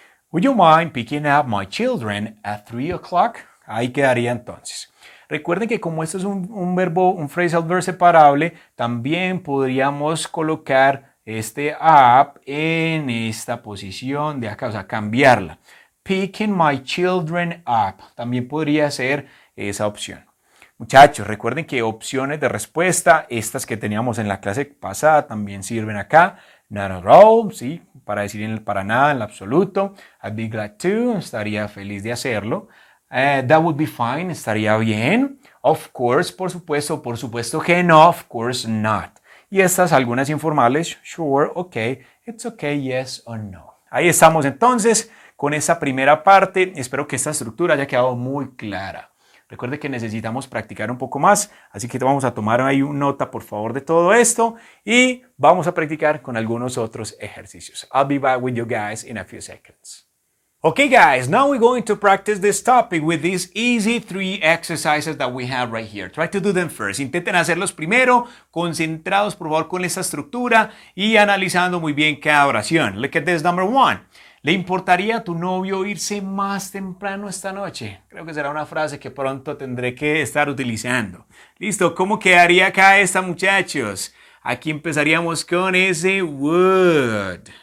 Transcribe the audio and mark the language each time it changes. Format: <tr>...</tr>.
<en>Would you mind picking up my children at 3 o'clock?</en> <es>Ahí quedaría entonces. Recuerden que como esto es un verbo, un phrasal verb separable, también podríamos colocar este up en esta posición de acá, o sea, cambiarla.</es> <en>Picking my children up.</en> <es>También podría ser esa opción. Muchachos, recuerden que opciones de respuesta, estas que teníamos en la clase pasada, también sirven acá.</es> <en>Not at all,</en> <es>sí, para decir en el para nada, en el absoluto.</es> <en>I'd be glad to,</en> <es>estaría feliz de hacerlo.</es> <en>That would be fine,</en> <es>estaría bien.</es> <en>Of course,</en> <es>por supuesto que no,</es> <en>of course not.</en> <es>Y estas algunas informales,</es> <en>sure, okay, it's okay, yes or no.</en> <es>Ahí estamos entonces con esa primera parte. Espero que esta estructura haya quedado muy clara. Recuerde que necesitamos practicar un poco más, así que vamos a tomar ahí una nota, por favor, de todo esto y vamos a practicar con algunos otros ejercicios.</es> <en>I'll be back with you guys in a few seconds. Okay, guys, now we're going to practice this topic with these easy 3 exercises that we have right here. Try to do them first.</en> <es>Intenten hacerlos primero, concentrados, por favor, con esa estructura y analizando muy bien cada oración.</es> <en>Look at this number one.</en> <es>¿Le importaría a tu novio irse más temprano esta noche? Creo que será una frase que pronto tendré que estar utilizando. Listo, ¿cómo quedaría acá esta, muchachos? Aquí empezaríamos con ese would.</es>